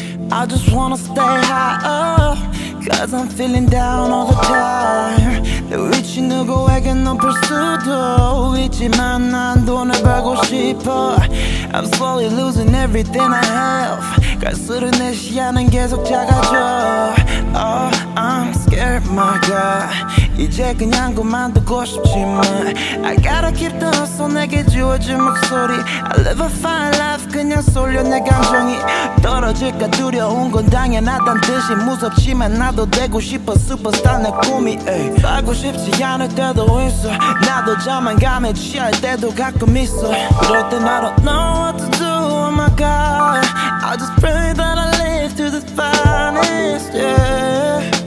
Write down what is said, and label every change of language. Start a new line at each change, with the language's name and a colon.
English: I just wanna stay high up, cause I'm feeling down all the time.
Korean: 내 위치 누구에게 높을 수도 있지만 난 돈을 벌고 싶어.
English: I'm slowly losing everything I have.
Korean: 갈수록 내 시야는 계속 작아져.
English: Oh, I'm scared, my God.
Korean: 이제 그냥 그만두고 싶지만
English: I gotta keep the hustle,
Korean: 내게 주어진 목소리.
English: I'll never find life,
Korean: 그냥 쏠려 내 감정이. 떨어질까 두려운 건 당연하단 듯이 무섭지만 나도 되고 싶어, superstar 내 꿈이. 빠고 싶지 않을 때도 있어. 나도 자만감에 취할 때도 가끔 있어. 그럴 땐
English: I don't know what to do, oh my God. I just pray that I live to the finest, yeah.